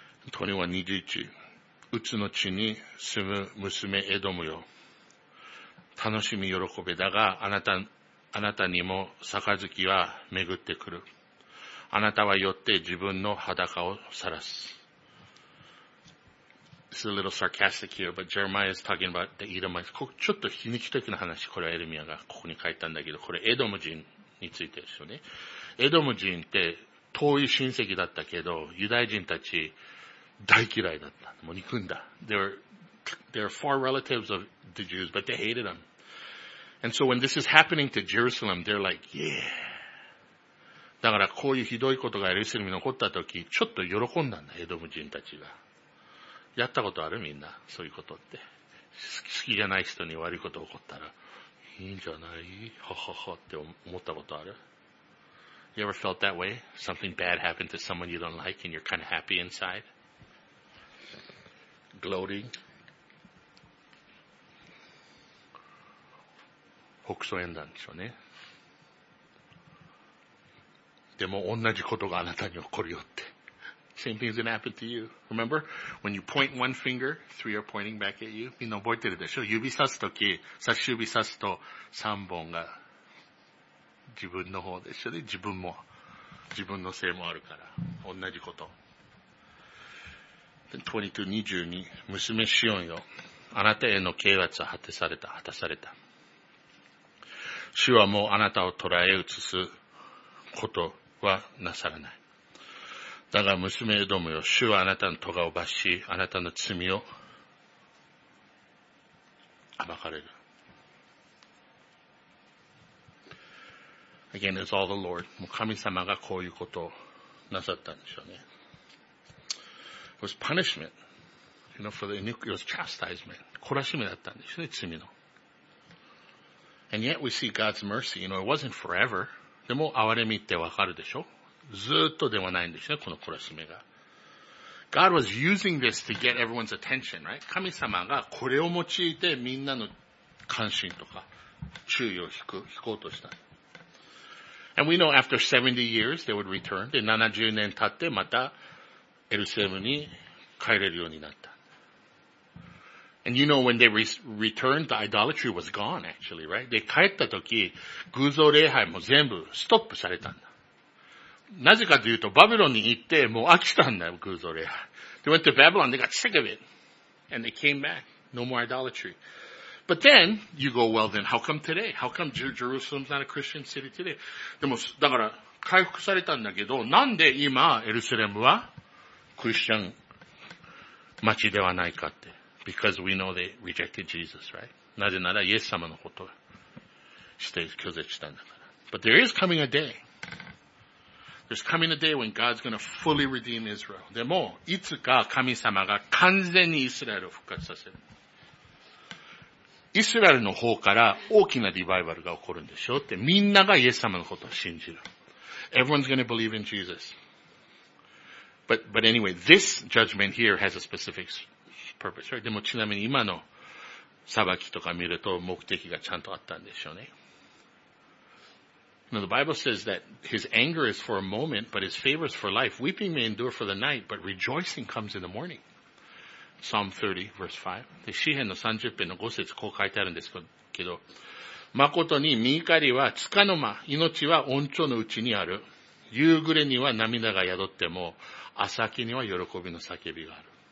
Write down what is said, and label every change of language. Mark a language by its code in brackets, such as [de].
[ja] 21、うつの地に住む娘エドムよ。楽しみ喜べ。だが、あなたにも、杯は巡ってくる。あなたは酔って自分の裸を晒す。 [en] It's a little sarcastic here, but Jeremiah is talking about the Edomites. [ja] ちょっと皮肉的な話、これはエルミアがここに書いたんだけど、これエドム人についてですよね。エドム人って遠い親戚だったけど、ユダヤ人たち大嫌いだった。もう憎んだ。 [en] They're far relatives of the Jews, but they hated them. And so when this is happening to Jerusalem, they're like, yeah. [ja] だからこういうひどいことがエルサレムに起こったとき、ちょっと喜んだんだ、エドム人たちが。やったことあるみんな、そういうことって。好きじゃない人に悪いこと起こったら、いいんじゃないははは、って思ったことある。 [en] You ever felt that way? Something bad happened to someone you don't like and you're kind of happy inside? Gloating? [ja] 北総演談でしょうね。でも同じことがあなたに起こるよって。 [en] Same thing's gonna happen to you. Remember? When you point one finger, three are pointing back at you. [ja] みんな覚えてるでしょ。指さすとき、差し指さすと三本が自分の方でしょね。自分も。自分のせいもあるから。同じこと。 22、娘シオンよ。あなたへの啓発は果たされた、果たされた。主はもうあなたを捕らえ移すことはなさらない。だが娘エドムよ、主はあなたの咎を罰し、あなたの罪を暴かれる。 [en] Again, it's all the Lord. [ja] もう神様がこういうことをなさったんでしょうね。 [en] It was punishment. You know, for the iniquity, it was chastisement. [ja] 懲らしめだったんでしょうね、罪の。 [en] And yet we see God's mercy. You know, it wasn't forever. [ja] でも、憐れみってわかるでしょ?ずっとではないんでしょうね、この懲らしめが。 [en] God was using this to get everyone's attention, right? [ja] 神様がこれを用いてみんなの関心とか注意を引こうとした。 [en] And we know after 70 years they would return. [ja] で、70年経ってまたエルサレムに帰れるようになった。 [en] And you know when they returned, the idolatry was gone actually, right? [ja] で、帰った時、偶像礼拝も全部ストップされたんだ。なぜかというと、バビロンに行ってもう飽きたんだよ、偶像礼拝。 [en] They went to Babylon, they got sick of it. And they came back. No more idolatry. But then, you go, well then, how come today? How come Jerusalem's not a Christian city today? [ja] でも、だから、回復されたんだけど、なんで今、エルサレムは、クリスチャン、街ではないかって。 [en] Because we know they rejected Jesus, right? [ja] なぜなら、イエス様のことを、して拒絶したんだから。 [en] But there is coming a day. There's coming a day when God's gonna fully redeem Israel. [ja] でも、いつか神様が完全にイスラエルを復活させる。イスラエルの方から大きなリバイバルが起こるんでしょうって。みんながイエス様のことを信じる。 [en] Everyone's gonna believe in Jesus. But anyway, this judgment here has a specific purpose, right? [ja] でもちなみに今の裁きとか見ると目的がちゃんとあったんでしょうね。 [en] Now the Bible says that his anger is for a moment, but his favor is for life. Weeping may endure for the night, but rejoicing comes in the morning. Psalm 30, verse 5. [ja] で、詩篇の30編の5節こう書いてあるんですけど、誠に身怒りは束の間、命は恩寵のうちにある。夕暮れには涙が宿っても、朝日には喜びの叫びがある。